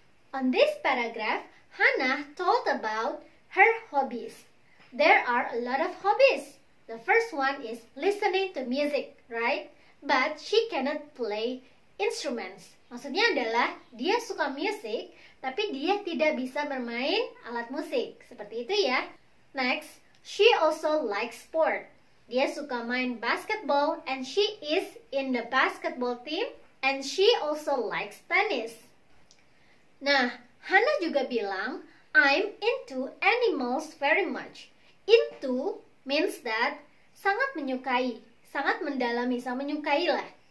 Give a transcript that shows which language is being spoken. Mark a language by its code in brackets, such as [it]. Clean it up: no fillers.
[en] On this paragraph, Hannah told about her hobbies. There are a lot of hobbies. The first one is listening to music, right? But she cannot play instruments. [id] Maksudnya adalah dia suka musik, tapi dia tidak bisa bermain alat musik. Seperti itu ya. [en] Next, she also likes sport. [id] Dia suka main [en] basketball and she is in the basketball team and she also likes tennis. [id] Nah, Hannah juga bilang, [en] I'm into animals very much. Into means that [id] sangat menyukai, sangat mendalami, sama menyukai lah.